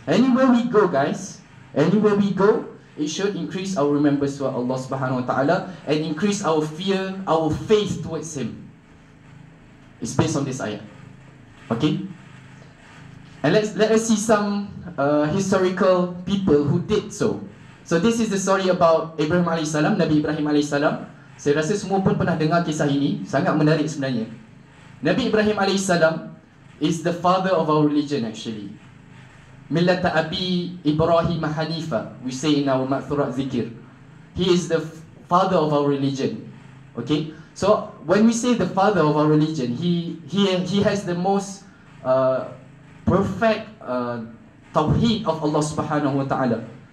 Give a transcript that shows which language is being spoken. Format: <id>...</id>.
<en>Anywhere we go, guys, anywhere we go, it should increase our remembrance to Allah subhanahu wa ta'ala and increase our fear, our faith towards Him. It's based on this ayah. Okay? And let us see some historical people who did so. So this is the story about Ibrahim AS, Nabi Ibrahim AS.</en> <ms>Saya rasa semua pun pernah dengar kisah ini, sangat menarik sebenarnya.</ms> <en>Nabi Ibrahim AS is the father of our religion actually.</en> <ar>Millata Abi Ibrahim Hanifa,</ar> <en>we say in our Ma'thura Zikir. He is the father of our religion. Okay, so when we say the father of our religion, he has the most perfect tauhid of Allah Subhanahu Wa Taala.</en>